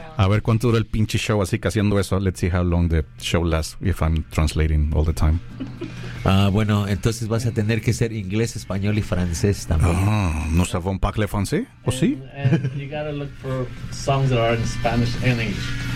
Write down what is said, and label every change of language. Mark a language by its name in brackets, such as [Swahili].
[Spanish] A ver cuánto dura el pinche show así que haciendo eso. [English] Let's see how long the show lasts if I'm translating all the time. [Spanish] Bueno, entonces vas a tener que ser inglés, español y francés también. Oh, ¿no sabes un pack de francés? ¿O sí? [English] And you gotta look for songs that are in Spanish and English.